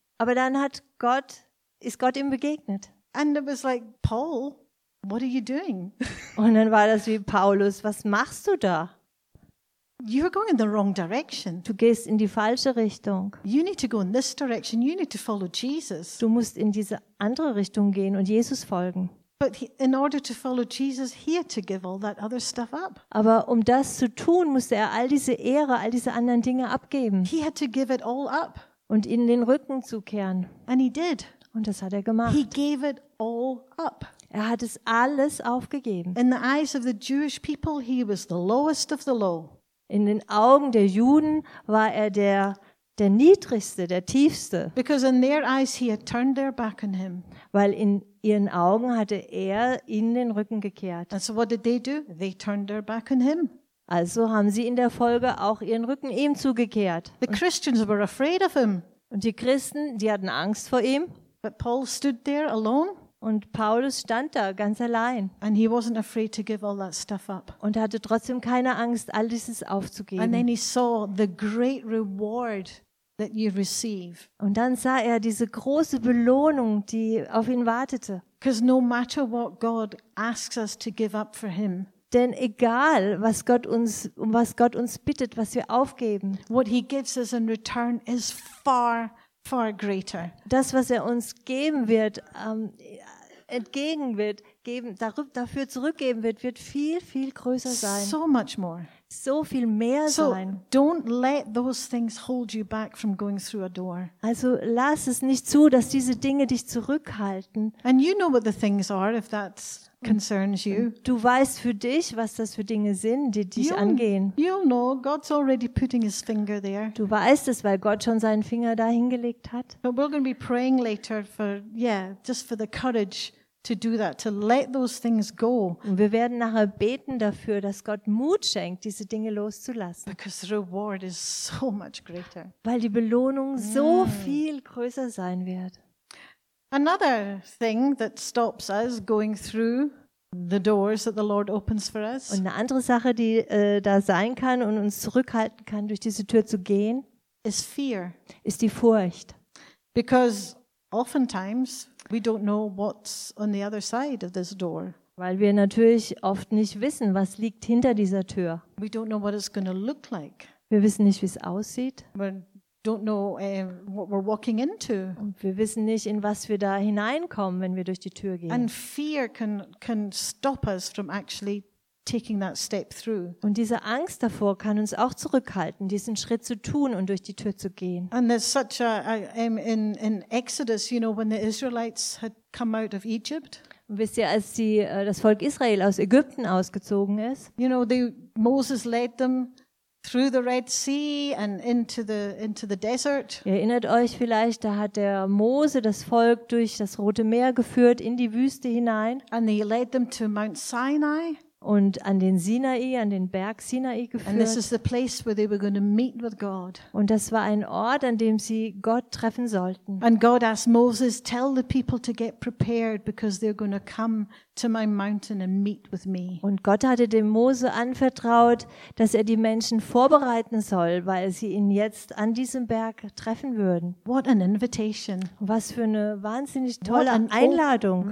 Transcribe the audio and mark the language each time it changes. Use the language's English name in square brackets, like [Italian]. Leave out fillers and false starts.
[German] Aber dann ist Gott ihm begegnet. [English] And it was like, Paul, what are you doing? [German] Und dann war das wie, Paulus, was machst du da? [English] You're going in the wrong direction. [German] Du gehst in die falsche Richtung. [English] You need to go in this direction. You need to follow Jesus. [German] Du musst in diese andere Richtung gehen und Jesus folgen. [English] But in order to follow Jesus, he had to give all that other stuff up. [German] Aber um das zu tun, musste er all diese Ehre, all diese anderen Dinge abgeben. [English] He had to give it all up. [German] Und in den Rücken zu kehren. [English] And he did. [German] Und das hat er gemacht. [English] He gave it all up. [German] Er hat es alles aufgegeben. [English] In the eyes of the Jewish people, he was the lowest of the low. [German] In den Augen der Juden war er der niedrigste, der tiefste. [English] Because in their eyes he had turned their back on him. [German] Weil in ihren Augen hatte er ihnen den Rücken gekehrt. [English] And so what did they do? They turned their back on him. [German] Also haben sie in der Folge auch ihren Rücken ihm zugekehrt. [English] The Christians were afraid of him. [German] Und die Christen, die hatten Angst vor ihm. [English] But Paul stood there alone. [German] Und Paulus stand da ganz allein. [English] And he wasn't afraid to give all that stuff up. [German] Und hatte trotzdem keine Angst, all dieses aufzugeben. [English] And then he saw the great reward that you receive. [German] Und dann sah er diese große Belohnung, die auf ihn wartete. [English] Because no matter what God asks us to give up for him. [German] Denn egal, was Gott uns bittet, was wir aufgeben. [English] What he gives us in return is far greater. [German] Das, was er uns geben wird, entgegen wird, geben, dafür zurückgeben wird, wird viel, viel größer sein. [English] So much more. [German] So viel mehr so sein. [English] So don't let those things hold you back from going through a door. [German] Also lass es nicht zu, dass diese Dinge dich zurückhalten. [English] And you know what the things are, if that concerns you. [German] Du weißt für dich, was das für Dinge sind, die dich angehen. [English] You'll know, God's already putting his finger there. [German] Du weißt es, weil Gott schon seinen Finger da hingelegt hat. [English] But we're going to be praying later for the courage. To do that, to let those things go. [German] Und wir werden nachher beten dafür, dass Gott Mut schenkt, diese Dinge loszulassen. [English] Because the reward is so much greater. [German] Weil die Belohnung so viel größer sein wird. [English] Another thing that stops us going through the doors that the Lord opens for us. [German] Und eine andere Sache, die da sein kann und uns zurückhalten kann, durch diese Tür zu gehen, [English] is fear. [German] Ist die Furcht. [English] Because oftentimes we don't know what's on the other side of this door. [German] Weil wir natürlich oft nicht wissen, was liegt hinter dieser Tür. [English] We don't know what it's going to look like. [German] Wir wissen nicht, wie es aussieht. [English] We don't know what we're walking into. [German] Und wir wissen nicht, in was wir da hineinkommen, wenn wir durch die Tür gehen. [English] And fear can stop us from actually taking that step through. [German] Und diese Angst davor kann uns auch zurückhalten, diesen Schritt zu tun und durch die Tür zu gehen. [English] And there's such in Exodus, you know, when the Israelites had come out of Egypt. [German] Wisst ihr, als das Volk Israel aus Ägypten ausgezogen ist? [English] You know, Moses led them through the Red Sea and into the desert. [German] Ihr erinnert euch vielleicht, da hat der Mose das Volk durch das Rote Meer geführt in die Wüste hinein. [English] And he led them to Mount Sinai. [German] Und an den Sinai, an den Berg Sinai geführt. [English] And this is the place where they were going to meet with God. [German] Und das war ein Ort, an dem sie Gott treffen sollten. [English] And God asked Moses, tell the people to get prepared because they're going to come to my mountain and meet with me. [German] Und Gott hatte dem Mose anvertraut, dass er die Menschen vorbereiten soll, weil sie ihn jetzt an diesem Berg treffen würden. [English] What an invitation. [German] Was für eine wahnsinnig tolle Einladung.